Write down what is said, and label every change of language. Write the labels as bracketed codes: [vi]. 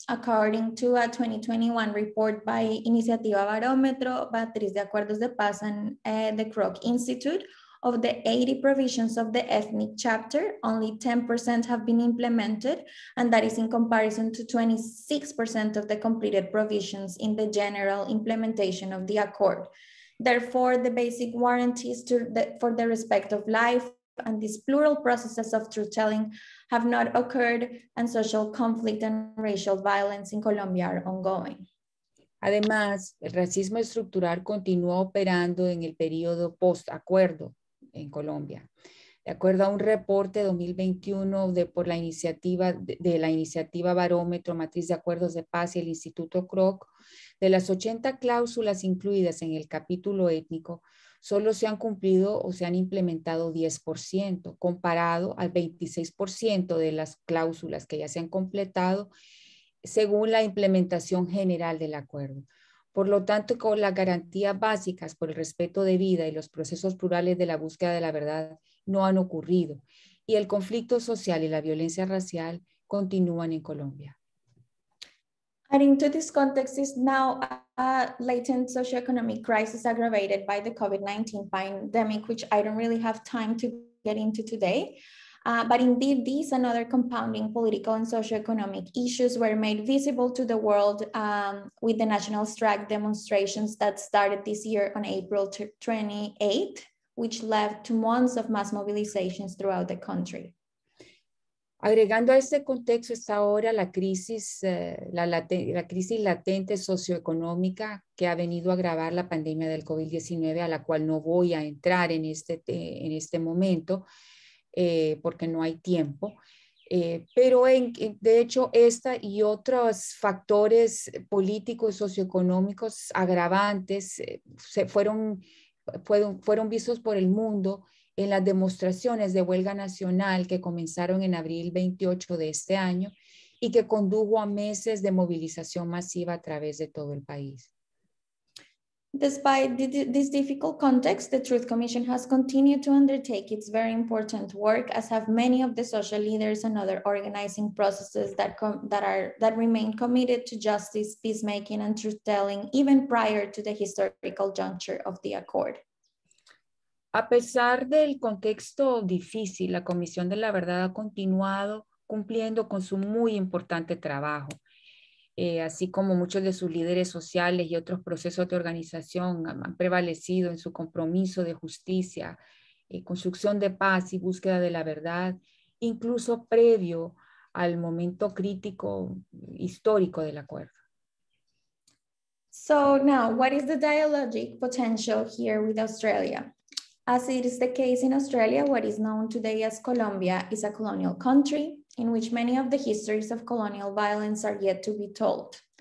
[en] According to a 2021 report by Iniciativa Barómetro, Beatriz de Acuerdos de Paz and the Kroc Institute, of the 80 provisions of the ethnic chapter, only 10% have been implemented, and that is in comparison to 26% of the completed provisions in the general implementation of the accord. Therefore, the basic warranties for the respect of life and these plural processes of truth-telling have not occurred, and social conflict and racial violence in Colombia are ongoing. [es] Además, el racismo estructural continúa operando en el periodo post-acuerdo en Colombia. De acuerdo a un reporte 2021 de la iniciativa Barómetro Matriz de Acuerdos de Paz y el Instituto Kroc, de las 80 cláusulas incluidas en el capítulo étnico, solo se han cumplido o se han implementado 10%, comparado al 26% de las cláusulas que ya se han completado según la implementación general del acuerdo. Por lo tanto, con las garantías básicas por el respeto de vida y los procesos plurales de la búsqueda de la verdad no han ocurrido, y el conflicto social y la violencia racial continúan en Colombia. [en] Adding to this context is now a latent socioeconomic crisis aggravated by the COVID-19 pandemic, which I don't really have time to get into today. But indeed, these and other compounding political and socioeconomic issues were made visible to the world with the national strike demonstrations that started this year on April 28, which led to months of mass mobilizations throughout the country. [es] Agregando a este contexto está ahora la crisis latente socioeconómica que ha venido a agravar la pandemia del COVID-19, a la cual no voy a entrar en este momento. Porque no hay tiempo, pero de hecho esta y otros factores políticos y socioeconómicos agravantes fueron vistos por el mundo en las demostraciones de huelga nacional que comenzaron en abril 28 de este año y que condujo a meses de movilización masiva a través de todo el país. [en] Despite this difficult context, the Truth Commission has continued to undertake its very important work, as have many of the social leaders and other organizing processes that remain committed to justice, peacemaking, and truth-telling, even prior to the historical juncture of the accord. [es] A pesar del contexto difícil, la Comisión de la Verdad ha continuado cumpliendo con su muy importante trabajo. Así como muchos de sus líderes sociales y otros procesos de organización han prevalecido en su compromiso de justicia construcción de paz y búsqueda de la verdad, incluso previo al momento crítico histórico del acuerdo. [en] So now, what is the dialogic potential here with Australia? As it is the case in Australia, what is known today as Colombia is a colonial country in which many of the histories of colonial violence are yet to be told.